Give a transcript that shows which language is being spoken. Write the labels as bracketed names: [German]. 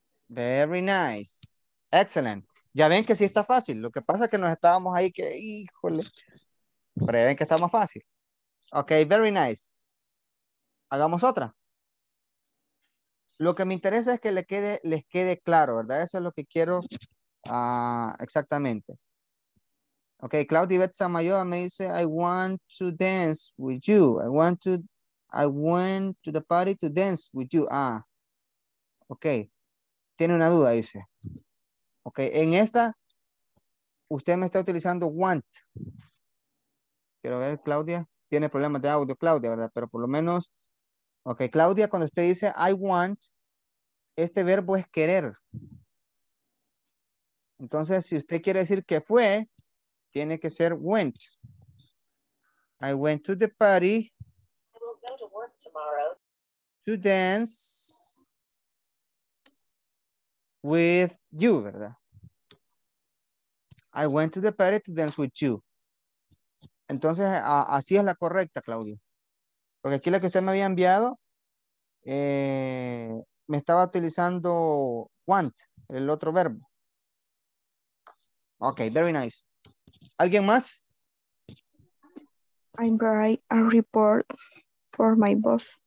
[English] Very nice. Excellent. [Spanish] Ya ven que sí está fácil. Lo que pasa es que nos estábamos ahí que, híjole. Pero ya ven que está más fácil. Ok, [English] very nice. [Spanish] Hagamos otra. Lo que me interesa es que les quede claro, ¿verdad? Eso es lo que quiero exactamente. Ok, Claudia Ivette Samayoa me dice, [English] I want to dance with you. I went to the party to dance with you. [Spanish] Ah, ok. Tiene una duda, dice. Ok, en esta, usted me está utilizando want. Quiero ver, Claudia. Tiene problemas de audio, Claudia, ¿verdad? Pero por lo menos, ok, Claudia, cuando usted dice, I want, este verbo es querer. Entonces, si usted quiere decir que fue, tiene que ser went. [English] I went to the party. I will go to work tomorrow. To dance with you, ¿verdad? I went to the party to dance with you. [Spanish] Entonces, así es la correcta, Claudia. Porque aquí la que usted me había enviado, me estaba utilizando want, el otro verbo. Ok, [English] very nice. [Spanish] ¿Alguien más? [English] I write a report for my boss.